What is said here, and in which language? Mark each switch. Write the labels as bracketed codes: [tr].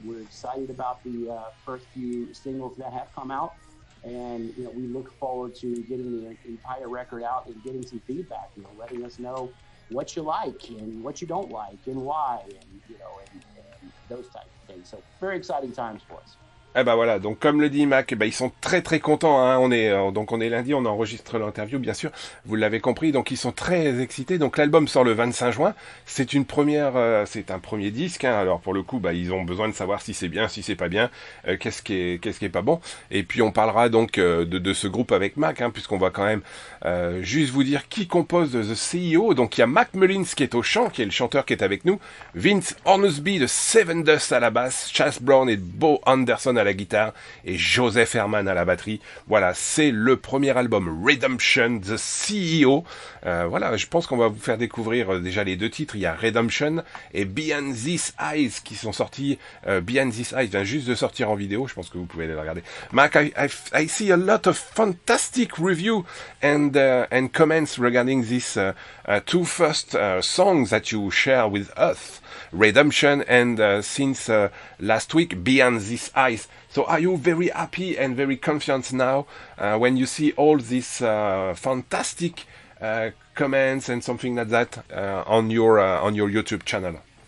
[en] We're excited about the first few singles that have come out, and we look forward to getting the entire record out and getting some feedback. Letting us know what you like and what you don't like and why, and those types of things. So very exciting times for us. [fr] Eh ben voilà, donc comme le dit Mac, ben ils sont très très contents, hein. On est lundi, on enregistre l'interview, bien sûr, vous l'avez compris, donc ils sont très excités. Donc l'album sort le 25 juin, c'est une première, c'est un premier disque, hein. Alors pour le coup, ils ont besoin de savoir si c'est bien, si c'est pas bien, qu'est-ce qui est pas bon. Et puis on parlera donc de ce groupe avec Mac, hein, puisqu'on va quand même juste vous dire qui compose The CEO. Donc il y a Mac Mullins qui est au chant, qui est le chanteur qui est avec nous, Vince Hornsby de Seven Dust à la basse, Chas Brown et Bo Anderson à la guitare et Joseph Herman à la batterie. Voilà, c'est le premier album Redemption, The CEO. Voilà, je pense qu'on va vous faire découvrir déjà les deux titres. Il y a Redemption et Beyond These Eyes qui sont sortis. Beyond These Eyes vient juste de sortir en vidéo. Je pense que vous pouvez aller le regarder. [en] Mac, I see a lot of fantastic review and comments regarding these two first songs that you share with us. Redemption and since last week, Beyond These Eyes. So are you very happy and very confident now when you see all these fantastic comments and something like that on your YouTube channel?